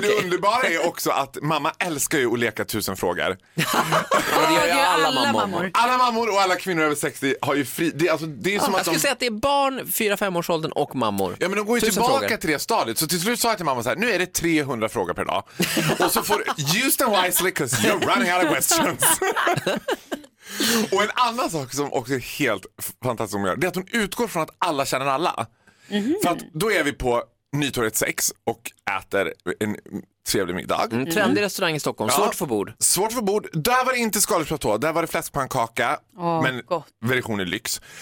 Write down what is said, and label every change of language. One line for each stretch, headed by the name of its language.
Swedish: Det underbara är också att mamma älskar ju att leka tusen frågor. Och det gör ju alla mammor. Alla mammor och alla kvinnor över 60 har ju fri... Det, alltså, det är som jag skulle säga att det är barn 4-5 års åldern och mammor. Ja, men de går ju tillbaka frågor. Till det stadiet. Så till slut sa jag till mamma så här, nu är det 300 frågor per dag. Och så får du,
English: use them wisely because you're running out of questions.
Swedish: Och en annan sak som också är helt fantastisk att göra, det är att hon utgår från att alla känner alla. Mm-hmm. För att då är vi på Nytorget 6 och äter en trevlig middag. Mm. Trendig restaurang i Stockholm, ja. Svårt för bord. Där var det inte skaldjursplatå, där var det fläskpannkaka. Men version är lyx.